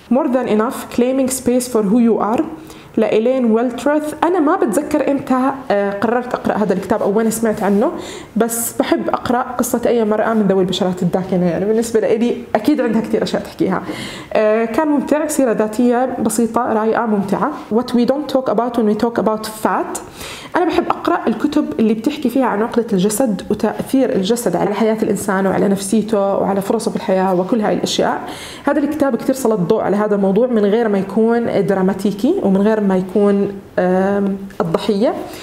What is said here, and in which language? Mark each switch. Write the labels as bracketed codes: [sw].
[en] More than enough, claiming space for who you are. [ar] لإيلين ويلترث. أنا ما بتذكر إمتى قررت أقرأ هذا الكتاب أو وين سمعت عنه، بس بحب أقرأ قصة أي مرأة من ذوي البشرات الداكنة، يعني بالنسبة لإلي أكيد عندها كتير أشياء تحكيها. كان ممتع، سيرة ذاتية بسيطة رائعة ممتعة. [en] What we don't talk about when we talk about fat. [ar] أنا بحب أقرأ الكتب اللي بتحكي فيها عن عقدة الجسد وتأثير الجسد على حياة الإنسان وعلى نفسيته وعلى فرصه في الحياة وكل هاي الأشياء. هذا الكتاب كتير سلط ضوء على هذا الموضوع من غير ما يكون دراماتيكي ومن غير ما يكون الضحية.